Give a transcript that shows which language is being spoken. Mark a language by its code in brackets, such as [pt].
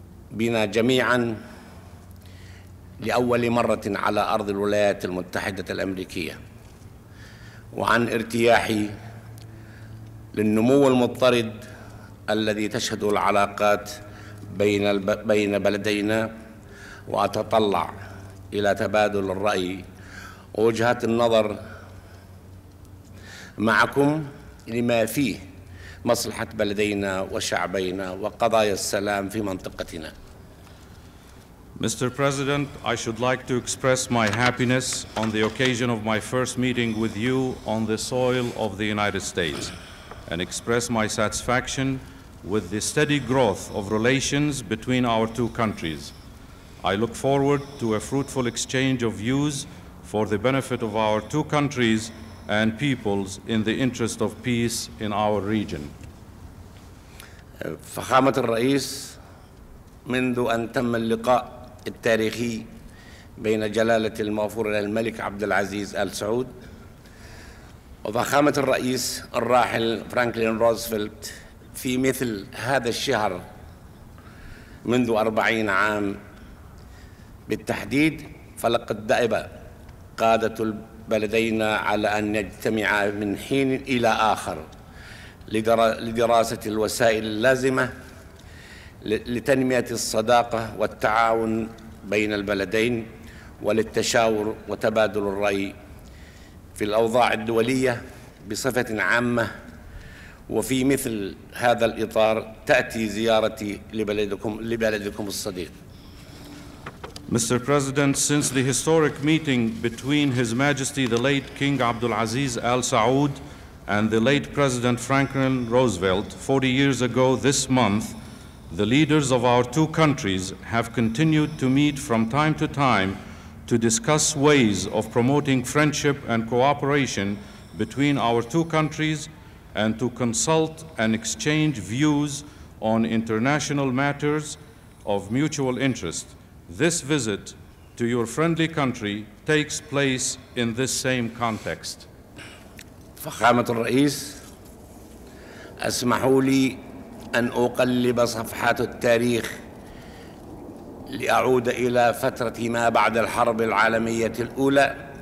[ar] بنا جميعا لأول مرة على أرض الولايات المتحدة الأمريكية وعن ارتياحي للنمو المضطرد الذي تشهد العلاقات بين بلدينا وأتطلع إلى تبادل الرأي ووجهات النظر معكم لما فيه مصلحة بلدينا وشعبينا وقضايا السلام في منطقتنا. [en] Mr. President, I should like to express my happiness on the occasion of my first meeting with you on the soil of the United States and express my satisfaction with the steady growth of relations between our two countries. I look forward to a fruitful exchange of views for the benefit of our two countries and peoples in the interest of peace in our region. [ar] فخامة الرئيس منذ أن تم اللقاء التاريخي بين جلالة المغفور الملك عبد العزيز آل سعود وفخامة الرئيس الراحل فرانكلين روزفلت في مثل هذا الشهر منذ 40 عام بالتحديد فلقد دأب قادة البلدين على أن يجتمعا من حين إلى آخر لدراسة الوسائل اللازمة لتنمية الصداقة والتعاون بين البلدين وللتشاور وتبادل الرأي في الأوضاع الدولية بصفة عامة وفي مثل هذا الإطار تأتي زيارتي لبلدكم الصديق. [en] Mr. President, since the historic meeting between His Majesty the late King Abdulaziz Al Saud and the late President Franklin Roosevelt 40 years ago this month, the leaders of our two countries have continued to meet from time to time to discuss ways of promoting friendship and cooperation between our two countries and to consult and exchange views on international matters of mutual interest. This visit to your friendly country takes place in this same context. [ar] فخامة الرئيس، اسمحوا لي أن أقلب صفحات التاريخ لأعود إلى فترة ما بعد الحرب العالمية الأولى